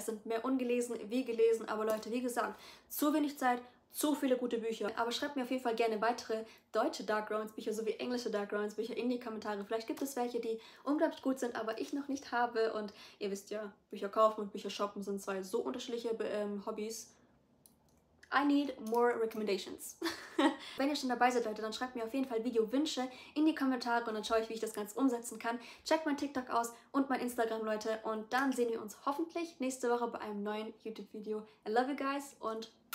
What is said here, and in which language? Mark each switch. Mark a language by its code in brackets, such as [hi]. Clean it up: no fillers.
[de] Es sind mehr ungelesen wie gelesen, aber Leute, wie gesagt, zu wenig Zeit, zu viele gute Bücher. Aber schreibt mir auf jeden Fall gerne weitere deutsche Dark Romance Bücher sowie englische Dark Romance Bücher in die Kommentare. Vielleicht gibt es welche, die unglaublich gut sind, aber ich noch nicht habe. Und ihr wisst ja, Bücher kaufen und Bücher shoppen sind zwei so unterschiedliche Hobbys. [en] I need more recommendations. [de] Wenn ihr schon dabei seid, Leute, dann schreibt mir auf jeden Fall Video-Wünsche in die Kommentare und dann schaue ich, wie ich das Ganze umsetzen kann. Checkt mein TikTok aus und mein Instagram, Leute. Und dann sehen wir uns hoffentlich nächste Woche bei einem neuen YouTube-Video. [en] I love you guys [de] und...